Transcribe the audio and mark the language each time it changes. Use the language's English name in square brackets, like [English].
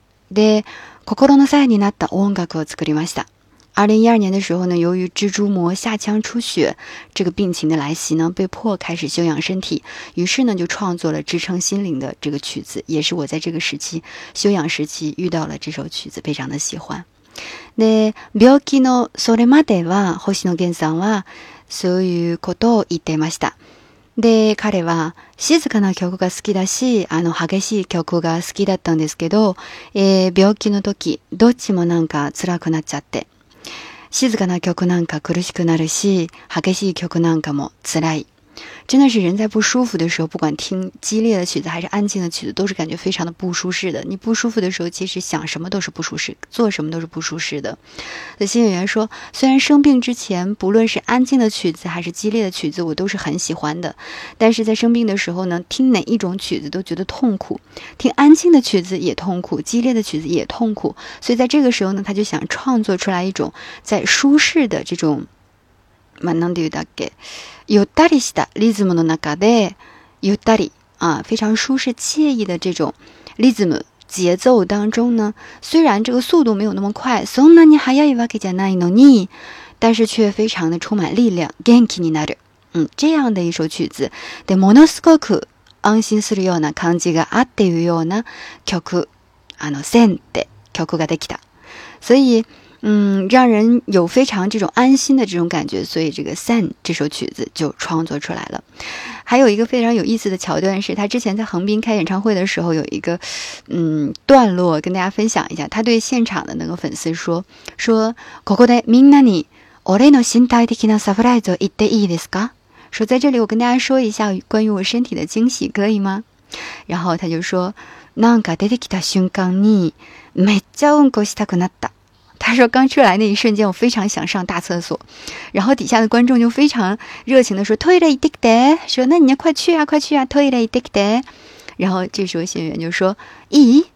[Japanese] で、心の支えになった音楽を作りました。 [Chinese] 2012年的时候呢，由于蜘蛛膜下腔出血这个病情的来袭呢，被迫开始休养身体，于是呢就创作了支撑心灵的这个曲子，也是我在这个时期休养时期遇到了这首曲子，非常的喜欢。 [Japanese] で、病気のそれまでは星野源さんはそういうことを言ってました。で、彼は静かな曲が好きだし、激しい曲が好きだったんですけど、病気の時どっちもなんか辛くなっちゃって、静かな曲なんか苦しくなるし、激しい曲なんかも辛い。 [Chinese] 真的是人在不舒服的时候，不管听激烈的曲子还是安静的曲子，都是感觉非常的不舒适的。你不舒服的时候，其实想什么都是不舒适，做什么都是不舒适的。那星野源说，虽然生病之前，不论是安静的曲子还是激烈的曲子，我都是很喜欢的，但是在生病的时候呢，听哪一种曲子都觉得痛苦，听安静的曲子也痛苦，激烈的曲子也痛苦。所以在这个时候呢，他就想创作出来一种在舒适的这种， [Japanese] まあ、なんて言うだっけ、ゆったりしたリズムの中で、ゆったり、 [Chinese] 非常舒适惬意的这种リズム、节奏当中呢、虽然这个速度没有那么快、 [Japanese] そんなに速いわけじゃないのに、 [Chinese] 但是却非常的充满力量、元気になる。这样的一首曲子、 [Japanese] で、ものすごく安心するような感じがあっていうような曲、線って曲ができた。 [Chinese] 所以、让人有非常这种安心的这种感觉，所以这个 Sen 这首曲子就创作出来了。还有一个非常有意思的桥段是，他之前在横滨开演唱会的时候有一个段落跟大家分享一下，他对现场的那个粉丝说， [Japanese] ここでみんなに俺の身体的なサプライズを言っていいですか？ [Chinese] 说在这里我跟大家说一下关于我身体的惊喜，可以吗？然后他就说 [Japanese] なんか出てきた瞬間にめっちゃうんこしたくなった。 [Chinese] 他说刚出来那一瞬间我非常想上大厕所。然后底下的观众就非常热情的说 [Japanese] トイレ行ってきて， [Chinese] 说那你要快去啊快去啊，トイレ行ってきて。然后这时候谢元就说いい？